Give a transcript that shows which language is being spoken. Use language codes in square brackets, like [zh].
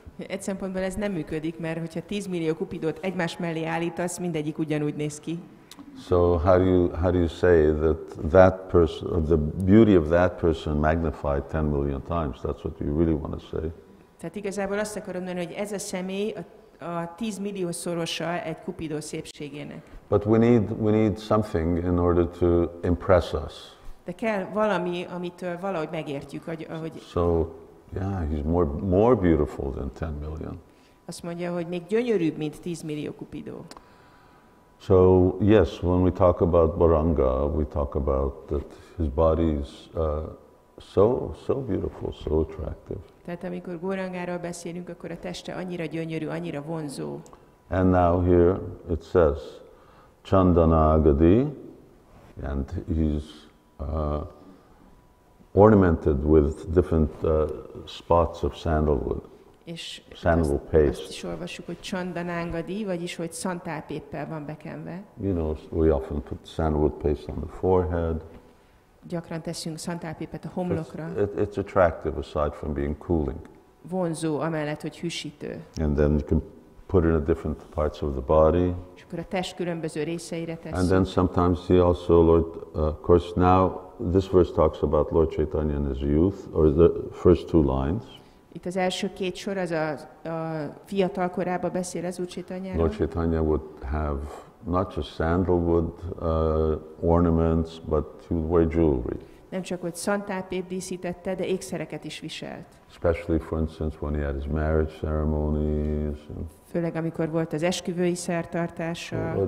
[hu] Egy szempontból ez nem működik, mert hogyha 10 millió kupidót egymás mellé állítasz, mindegyik ugyanúgy néz ki. [en] So how do you say that person, the beauty of that person magnified 10 million times? That's what you really want to say. [hu] Tehát igazából azt akarom mondani, hogy ez a személy a 10 millió szorosa egy kupidó szépségének. [en] But we need something in order to impress us. [hu] De kell valami, amitől valahogy megértjük, hogy. [en] So, yeah, he's more beautiful than 10 million. [hu] Azt mondja, hogy még gyönyörűbb, mint 10 millió kupidó. [en] So, yes, when we talk about Baranga, we talk about that his body is so beautiful, so attractive. [hu] Tehát amikor Gorangáról beszélünk, akkor a teste annyira gyönyörű, annyira vonzó. [en] And now here it says, Chandanagadi, and he's ornamented with different spots of sandalwood. [hu] És [en] sandalwood paste. [hu] Azt is olvassuk, hogy Chandanagadi, vagyis hogy szantálpéppel van bekenve. [en] You know, we often put sandalwood paste on the forehead. [hu] Gyakran teszünk szantálpépet a homlokra. [en] It's attractive aside from being cooling. [hu] Vonzó, amellett, hogy hűsítő. [en] And then you can put it in different parts of the body. [hu] És akkor a test különböző részeire tesz. [en] And then sometimes he also, of course, now this verse talks about Lord Chaitanya in his youth, or the first two lines. [hu] Itt az első két sor az a fiatal korában beszél az Úr Chaitanyáról. [en] Lord Chaitanya would have not just sandalwood ornaments, but he would wear jewelry. [hu] Nem csak hogy szantálpép díszítette, de ékszereket is viselt. [en] Especially, for instance, when he had his marriage ceremonies. [hu] Főleg amikor volt az esküvői szertartása.